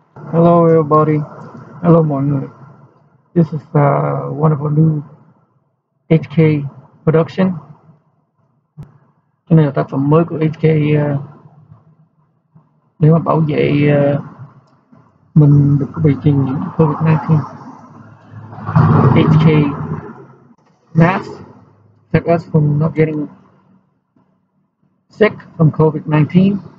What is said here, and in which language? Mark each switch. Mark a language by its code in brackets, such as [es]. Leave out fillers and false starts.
[en] Hello everybody, hello [vi] mọi người. [en] This is one of our new HK production. [vi] Đây là tác phẩm mới của HK để mà bảo vệ mình được có bị truyền nhiễm COVID-19. [en] HK masks protect us from not getting sick from COVID-19.